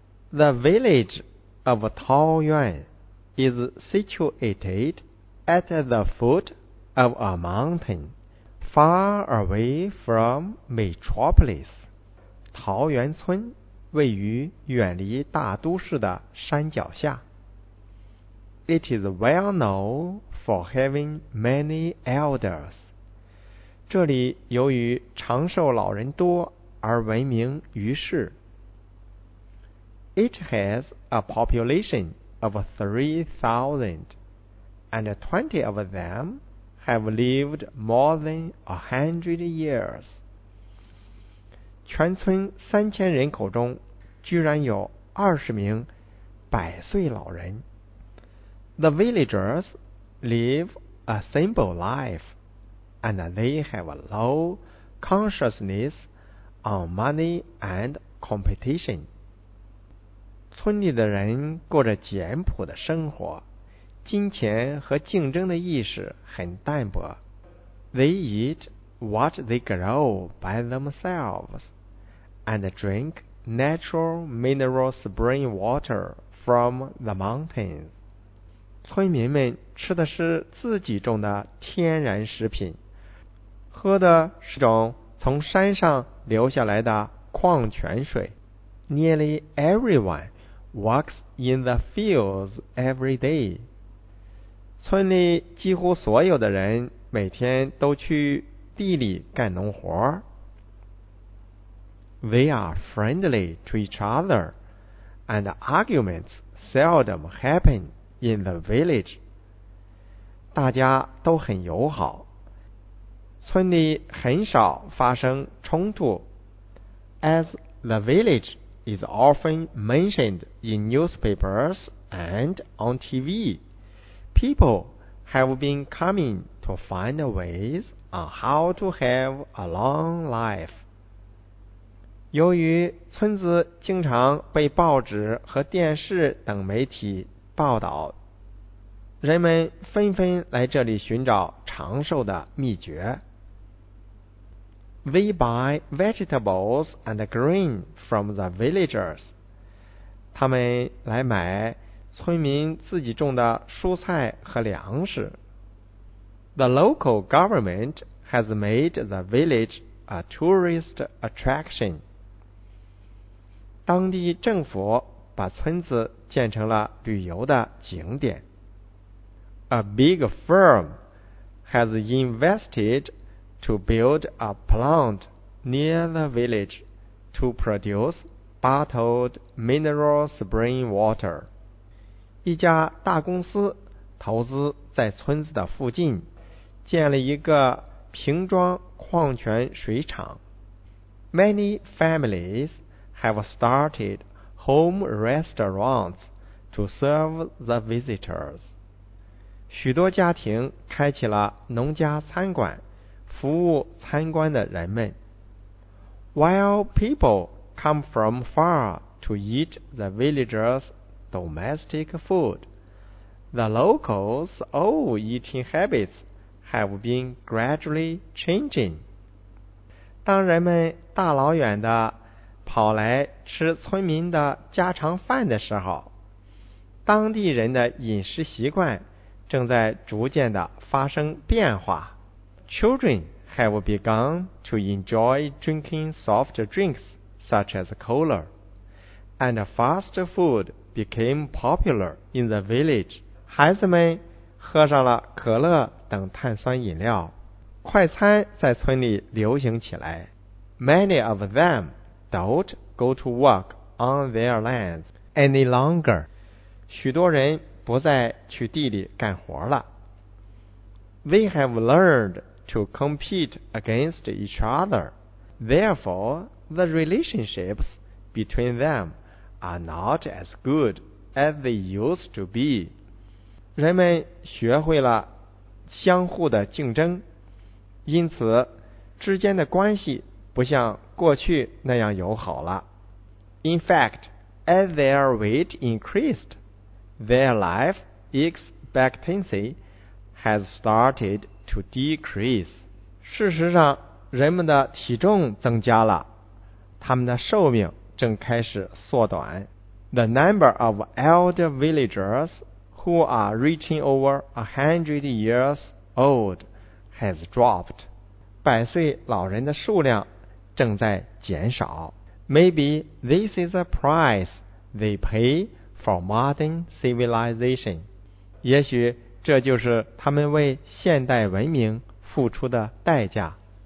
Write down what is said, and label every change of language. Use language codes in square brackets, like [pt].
[en] The village of Taoyuan is situated at the foot of a mountain, far away from metropolis. [zh] 桃源村位于远离大都市的山脚下。 [en] It is well known for having many elders. [zh] 这里由于长寿老人多而闻名于世。 [en] It has a population of 3,000, and 20 of them have lived more than 100 years. [zh] 全村3000人口中居然有20名百岁老人。 [en] The villagers live a simple life, and they have a low consciousness on money and competition. [zh] 村里的人过着简朴的生活，金钱和竞争的意识很淡薄。 [en] They eat what they grow by themselves, and drink natural mineral spring water from the mountains. [zh] 村民们吃的是自己种的天然食品，喝的是种从山上流下来的矿泉水。 [en] Nearly everyone walks in the fields every day. [zh] 村里几乎所有的人每天都去地里干农活。 [en] They are friendly to each other, and arguments seldom happen in the village. [zh] 大家都很友好，村里很少发生冲突。 [en] As the village is often mentioned in newspapers and on TV, people have been coming to find ways on how to have a long life. [zh] 由于村子经常被报纸和电视等媒体报道，人们纷纷来这里寻找长寿的秘诀。 [en] We buy vegetables and grain from the villagers. [zh] 他们来买村民自己种的蔬菜和粮食。 [en] The local government has made the village a tourist attraction. [zh] 当地政府把村子建成了旅游的景点。 [en] A big firm has invested to build a plant near the village to produce bottled mineral spring water. [zh] 一家大公司投资在村子的附近建了一个瓶装矿泉水厂。 [en] Many families have started home restaurants to serve the visitors. [zh] 许多家庭开启了农家餐馆，服务参观的人们。 [en] While people come from far to eat the villagers' domestic food, the locals' old eating habits have been gradually changing. [zh] 当人们大老远地跑来吃村民的家常饭的时候，当地人的饮食习惯正在逐渐地发生变化。 [en] Children have begun to enjoy drinking soft drinks such as cola, and fast food became popular in the village. [zh] 孩子们喝上了可乐等碳酸饮料，快餐在村里流行起来。 [en] Many of them don't go to work on their lands any longer. [zh] 许多人不再去地里干活了。 [en] We have learned to compete against each other. Therefore, the relationships between them are not as good as they used to be. [zh] 人们学会了相互的竞争，因此之间的关系不像过去那样友好了。 [en] In fact, as their weight increased, their life expectancy has started to decrease. [zh] 事实上，人们的体重增加了，他们的寿命正开始缩短。 [en] The number of elder villagers who are reaching over 100 years old has dropped. [zh] 百岁老人的数量正在减少。 [en] Maybe this is a price they pay for modern civilization. [zh] 也许这就是他们为现代文明付出的代价。